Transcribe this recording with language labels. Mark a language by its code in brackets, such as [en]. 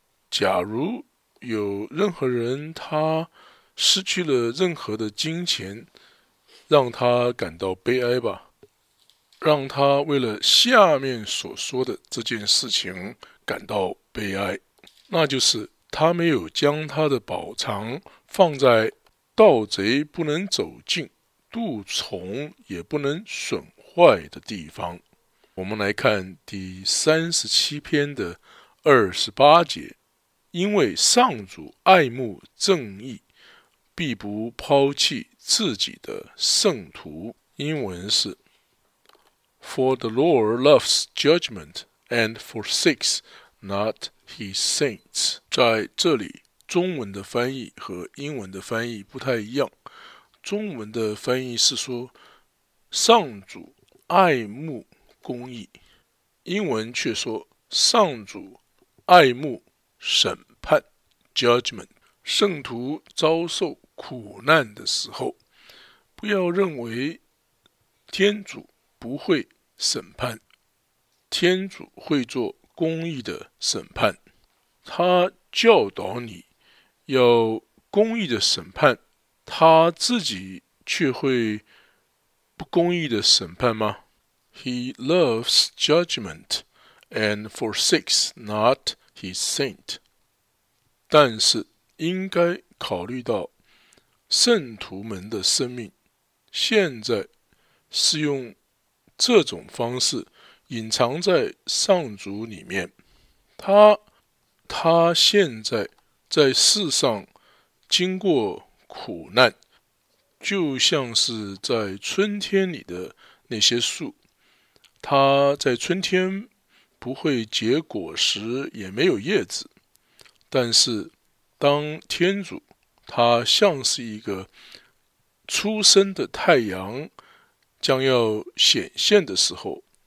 [zh] 假如有任何人他失去了任何的金钱，让他感到悲哀吧，让他为了下面所说的这件事情感到悲哀，那就是他没有将他的宝藏放在盗贼不能走进，蠹虫也不能损坏的地方。我们来看第37篇的28节，因为上主爱慕正义，必不抛弃自己的圣徒。 [en] 英文是 For the Lord loves judgment and forsakes not his saints. [zh] 在这里中文的翻译和英文的翻译不太一样，中文的翻译是说上主爱慕公义，英文却说上主爱慕审判 judgment。圣徒遭受苦难的时候，不要认为天主不会审判，天主会做公义的审判。他教导你要公义的审判，他自己却会不公义的审判吗？ [en] He loves judgment and forsakes not his saint. [zh] 但是应该考虑到圣徒们的生命，现在是用这种方式隐藏在上主里面。他现在在世上经过苦难，就像是在春天里的那些树，它在春天不会结果实，也没有叶子，但是当天主他像是一个初升的太阳将要显现的时候，